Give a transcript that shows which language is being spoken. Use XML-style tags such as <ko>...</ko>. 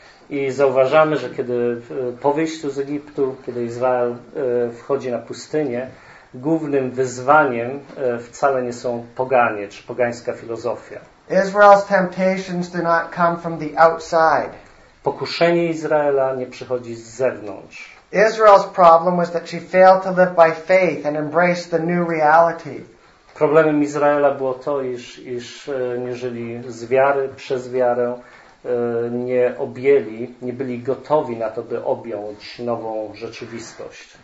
<pl>I zauważamy, że kiedy po wyjściu z Egiptu, kiedy Izrael wchodzi na pustynię, głównym wyzwaniem wcale nie są poganie czy pogańska filozofia.</pl> <en>Israel's temptations do not come from the outside.</en> <pl>Pokuszenie Izraela nie przychodzi z zewnątrz.</pl> <en>Israel's problem was that she failed to live by faith and embrace the new reality.</en> <pl>Problemem Izraela było to, iż nie żyli z wiary, przez wiarę, nie objęli, nie byli gotowi na to, by objąć nową rzeczywistość.</pl>